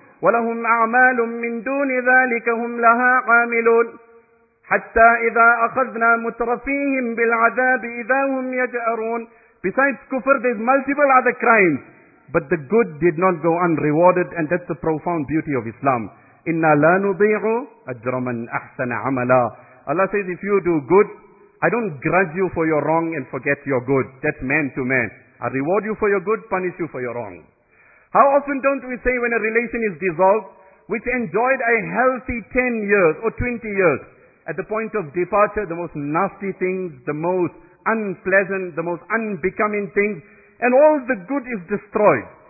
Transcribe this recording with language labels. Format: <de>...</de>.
<ar>وَلَهُمْ أَعْمَالٌ مِّن دُونِ ذَٰلِكَ هُمْ لَهَا عَامِلُونَ حَتَّى إِذَا أَخَذْنَا مُتْرَفِيهِمْ بِالْعَذَابِ إِذَا هُمْ يَجْأَرُونَ.</ar> <en>Besides kufr, there's multiple other crimes. But the good did not go unrewarded, and that's the profound beauty of Islam.</en> <ar>إِنَّا لَا نُضِيعُ أَجْرَ مَنْ أَحْسَنَ عَمَلًا.</ar> <en>Allah says, if you do good, I don't grudge you for your wrong and forget your good. That's man to man. I reward you for your good, punish you for your wrong. How often don't we say when a relation is dissolved, which enjoyed a healthy 10 years or 20 years, at the point of departure, the most nasty things, the most unpleasant, the most unbecoming things, and all the good is destroyed.</en>